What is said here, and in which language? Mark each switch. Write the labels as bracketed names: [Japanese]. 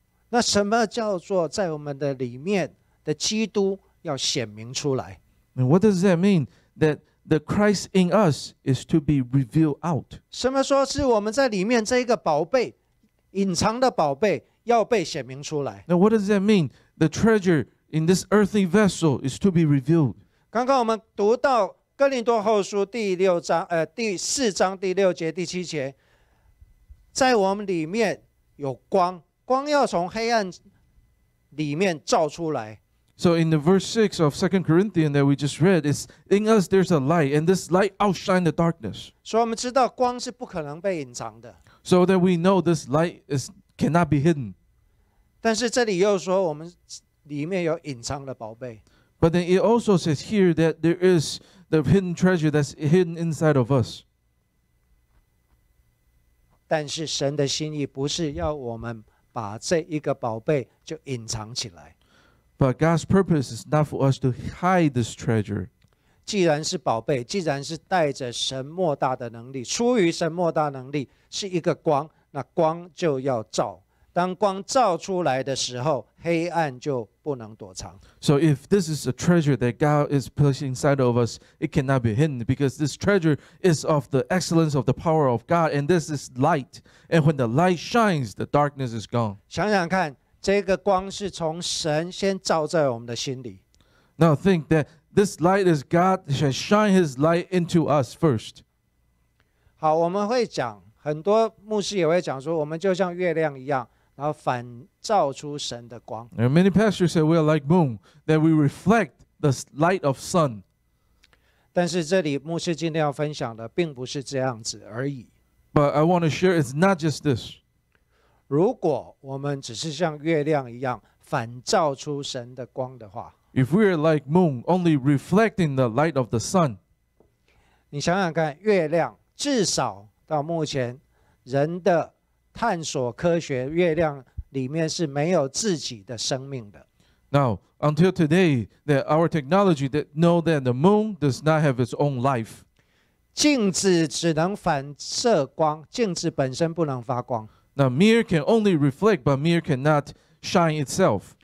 [Chinese] 那什么叫做在我们的里面的基督要显明出来 [English] ？And what does that mean that the Christ in us is to be revealed out? [Chinese] 什么说是我们在里面这一个宝贝，隐藏的宝贝要被显明出来 [English] ？Now what does that mean? The treasure in this earthly vessel is to be revealed. [Chinese] 刚刚我们读到哥林多后书第六章，第四章第六节第七节，在我们里面有光，光要从黑暗里面照出来。 [English] So in the verse 6 of 2 Corinthians that we just read, it's in us there's a light, and this light outshines the darkness. [Chinese] 所以我们知道光是不可能被隐藏的。 [English] So that we know this light is cannot be hidden. [Chinese] 但是这里又说我们里面有隐藏的宝贝。 [English] But then it also says here that there is the hidden treasure that's hidden inside of us. [Chinese] 但是神的心意不是要我们把这一个宝贝就隐藏起来。 [English] But God's purpose is not for us to hide this treasure. [Chinese] 既然是宝贝，既然是带着神莫大的能力，出于神莫大能力，是一个光，那光就要照。当光照出来的时候，黑暗就不能躲藏。 [English] So if this is a treasure that God is placing inside of us, it cannot be hidden because this treasure is of the excellence of the power of God, and this is light. And when the light shines, the darkness is gone. [Chinese] 想想看，这个光是从神先照在我们的心里。 [English] Now think that this light is God shall shine His light into us first. [Chinese] 好，我们会讲，很多牧师也会讲说，我们就像月亮一样，然后反照出神的光。 [English] And many pastors say we are like moon, that we reflect the light of sun. [Chinese] 但是这里牧师今天要分享的并不是这样子而已。 [English] But I want to share it's not just this. [Chinese] 如果我们只是像月亮一样反照出神的光的话， [English] If we are like moon, only reflecting the light of the sun. [Chinese] 你想想看，月亮至少到目前人的探索科学，月亮里面是没有自己的生命的。 [English] Now, until today, that our technology that know that the moon does not have its own life. [Chinese] 镜子只能反射光，镜子本身不能发光。 [English] Now, mirror can only reflect, but mirror cannot shine itself.